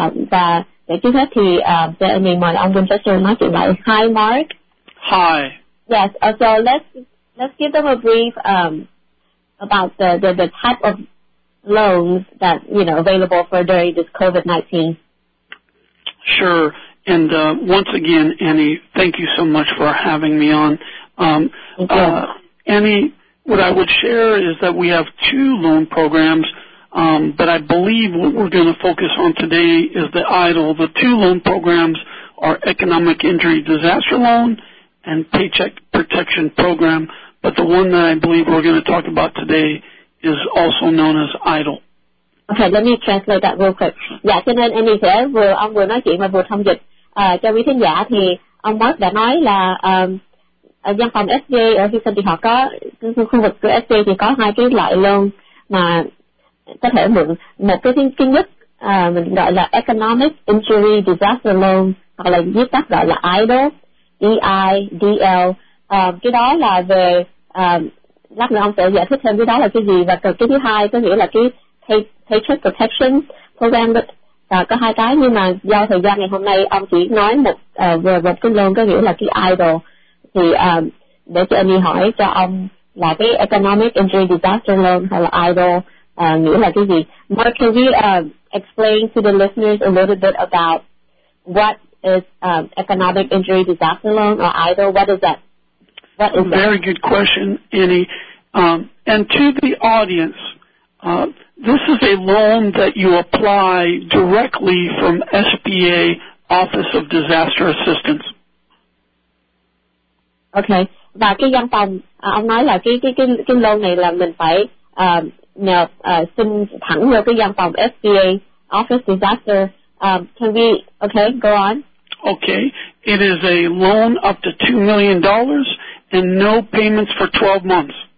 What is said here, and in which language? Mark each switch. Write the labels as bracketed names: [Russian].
[Vietnamese] Và để trước hết thì sẽ mời ông Winchester nói chuyện lại. [English] Hi Mark. Hi. Yes. So let's give them a brief about the type of loans that available for during this COVID-19. Sure. And once again, Annie, thank you so much for having me on. Annie, what I would share is that we have two loan programs. But I believe what we're going to focus on today is the EIDL. The two loan programs are Economic Injury Disaster Loan and Paycheck Protection Program. But the one that I believe we're going to talk about today is also known as EIDL. Okay, let me translate that real quick. [Vietnamese] Dạ, cho nên anh sẽ vừa nói chuyện và vừa thông dịch cho quý khán giả thì ông Mark đã nói là văn phòng SBA ở Houston thì họ có khu vực của SBA thì có hai cái loại loan mà có thể mượn. Một cái thứ nhất mình gọi là Economic Injury Disaster Loan, hoặc là viết tắt gọi là EIDL, EIDL. Cái đó là về lát nữa ông sẽ giải thích thêm cái đó là cái gì. Và cái thứ hai có nghĩa là cái Paycheck Protection Program, có hai cái, nhưng mà do thời gian ngày hôm nay ông chỉ nói một về một cái loan có nghĩa là cái EIDL. Thì để cho em đi hỏi cho ông là cái Economic Injury Disaster Loan hay là IDL nghĩa là cái gì. [English] Mark, can we explain to the listeners a little bit about what is Economic Injury Disaster Loan or IDL? What is that? What is Very that? Good question, Annie. And to the audience, this is a loan that you apply directly from SBA Office of Disaster Assistance. [Vietnamese] Okay, và cái văn phòng ông nói là cái loan này là mình phải nhờ xin thẳng vào cái văn phòng SBA Office Disaster. [English] Can we? Okay, go on. Okay, it is a loan up to $2 million and no payments for 12 months.